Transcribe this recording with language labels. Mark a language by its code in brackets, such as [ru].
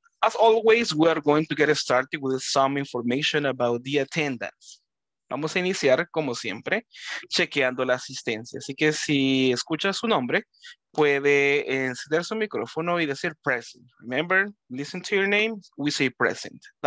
[en] As always, we are going to get started with some information about the attendance. [es] Vamos a iniciar, como siempre, chequeando la asistencia. Así que si escucha su nombre, puede encender su micrófono y decir present. [en] Remember, listen to your name, we say present.